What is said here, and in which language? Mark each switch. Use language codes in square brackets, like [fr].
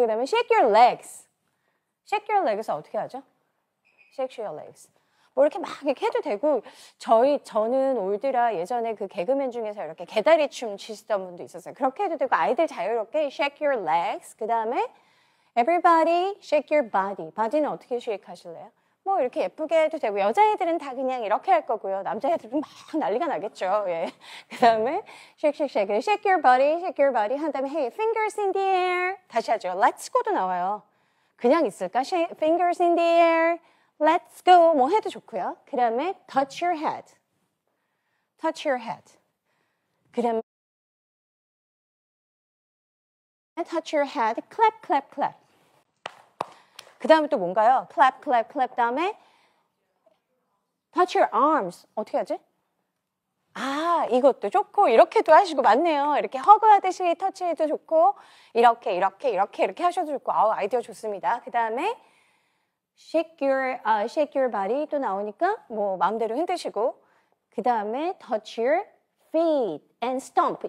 [ko] 그 다음에 [en] shake your legs. Shake your legs [ko] 어떻게 하죠? [en] Shake your legs. [ko] 뭐 이렇게 막 이렇게 해도 되고 저는 올드라 예전에 그 개그맨 중에서 이렇게 개다리 춤 치시던 분도 있었어요. 그렇게 해도 되고 아이들 자유롭게 shake your legs. 그 다음에 [en] Everybody, shake your body. [ko] Body는 어떻게 shake 하실래요? 뭐 이렇게 예쁘게 해도 되고 여자애들은 다 그냥 이렇게 할 거고요. 남자애들은 막 난리가 나겠죠. 예. 그 다음에 [en] shake, shake, shake. Shake your body, shake your body. [ko] 한 다음에 [en] hey, fingers in the air. [ko] 다시 하죠. Let's go도 나와요. 그냥 있을까? [en] Fingers in the air. Let's go. [ko] 뭐 해도 좋고요. 그 다음에 [en] touch your head. Touch your head. [ko] 그 다음에 [en] touch your head, clap, clap, clap. [ko] 그 다음에 또 뭔가요? clap, clap, clap. 다음에 [en] touch your arms. [ko] 어떻게 하지? 아, 이것도 좋고 이렇게도 하시고 맞네요. 이렇게 허그하듯이 터치해도 좋고 이렇게, 이렇게, 이렇게 이렇게 하셔도 좋고 아우, 아이디어 좋습니다. 그 다음에 shake your body 또 나오니까 뭐 마음대로 흔드시고 그 다음에 [en] touch your feet and stomp.